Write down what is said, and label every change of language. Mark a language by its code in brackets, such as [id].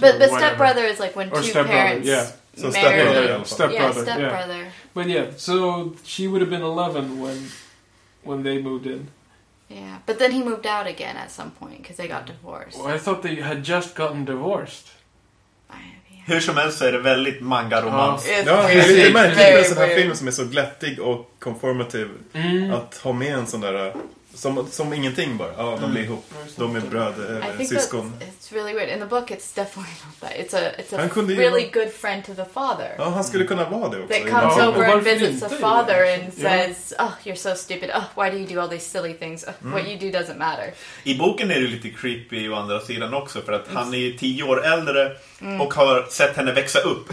[en] but stepbrother is like when or two parents. Yeah. So stepbrother. But yeah, so she would have been 11 when they moved in. Yeah, but then he moved out again at some point because they got divorced. Well, I thought they had just gotten divorced. [sv] Hur som helst så är det väldigt manga-romans. Det är en sån här film som är så glättig och konformativ att ha med en sån där... Som ingenting bara. Ja, de blir ihop. De är bröder eller syskon. [en] It's really weird. In the book it's definitely not that. It's a really good friend to the father. [sv] Ja, han skulle kunna vara det också. [en] That comes over and visits the father and says, oh, you're so stupid. Oh, why do you do all these silly things? Oh, what you do doesn't matter. [sv] I boken är det lite creepy å andra sidan också. För att han är 10 år äldre och har sett henne växa upp.